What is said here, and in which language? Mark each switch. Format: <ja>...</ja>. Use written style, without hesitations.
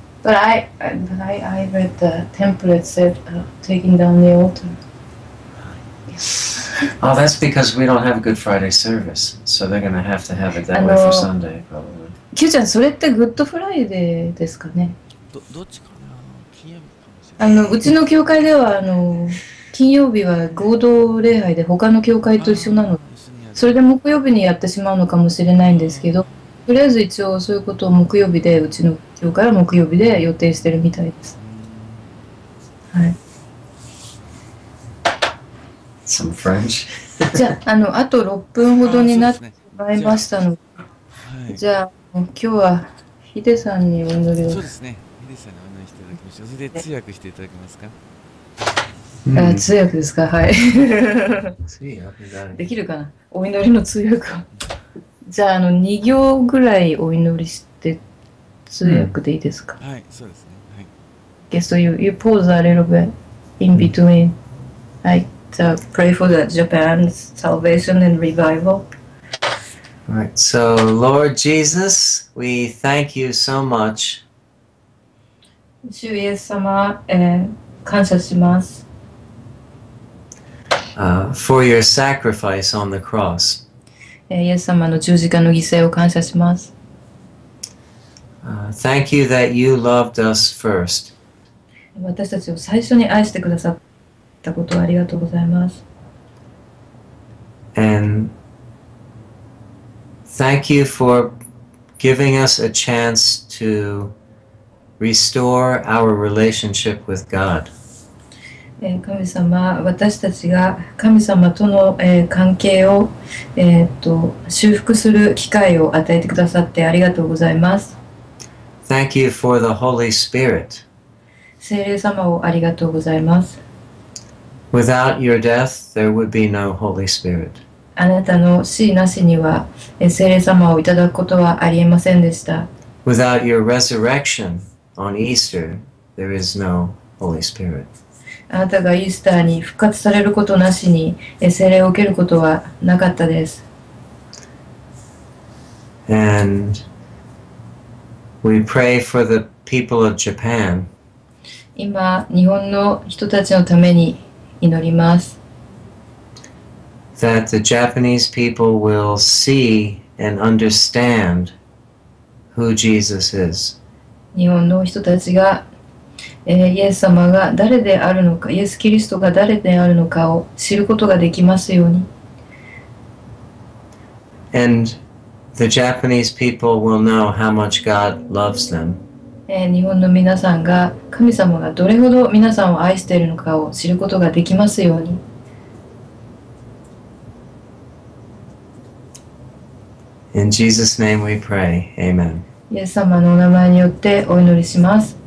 <en>But I read the template said taking down the altar. Oh, that's because we don't have a Good Friday service. So they're going to have it that way for Sunday, probably.</en> <ja>キューちゃん、それってグッドフライデーですかね？どっちかな？金曜日かもしれない。うちの教会では、金曜日は合同礼拝で他の教会と一緒なので、それで木曜日にやってしまうのかもしれないんですけど、とりあえず一応そういうことを木曜日で、うちの教会は木曜日で予定してるみたいです。はい。</ja> <en>Some French.</en> <ja>じゃあ、あと6分ほどになってしまいましたので、じゃあ、今日はヒデさんにお祈りを。そうですね。ヒデさんにお祈りしていただきましょう。それで通訳していただけますか？あ、通訳ですか、はい。通訳だ、ね、できるかな、お祈りの通訳は。じゃあ、2行ぐらいお祈りして通訳でいいですか、うん、はい、そうですね。はい。</ja> <en>Okay, so you pause a little bit in between. I pray for the Japan's salvation and revival. Right, so Lord Jesus, we thank you so much.</en> <ja>主イエス様、感謝します。</ja> <en>For your sacrifice on the cross.</en> <ja>イエス様の十字架の犠牲を感謝します。</ja> <en>Thank you that you loved us first.</en> <ja>私たちを最初に愛してくださったことをありがとうございます。</ja> <en>And thank you for giving us a chance to restore our relationship with God.</en> <ja>神様、私たちが神様との、関係を、修復する機会を与えてくださってありがとうございます。</ja> <en>Thank you for the Holy Spirit.</en> <ja>聖霊様をありがとうございます。</ja> <en>Without your death, there would be no Holy Spirit.</en> <ja>あなたの死なしには、聖霊様をいただくことはありえませんでした。</ja> <en>Without your resurrection on Easter, there is no Holy Spirit.</en> <ja>あなたがイースターに復活されることなしに聖霊を受けることはなかったです。</ja> <en>And we pray for the people of Japan.</en> <ja>今、日本の人たちのために祈ります。</ja> <en>That the Japanese people will see and understand who Jesus is.</en> <ja>日本の人たちがイエス様が誰であるのか、イエス・キリストが誰であるのかを知ることができますように。</ja> <en>And the Japanese people will know how much God loves them.</en> <ja>日本の皆さんが神様がどれほど皆さんを愛しているのかを知ることができますように。</ja> <en>In Jesus' name we pray. Amen.</en> <ja>イエス様のお名前によってお祈りします。</ja>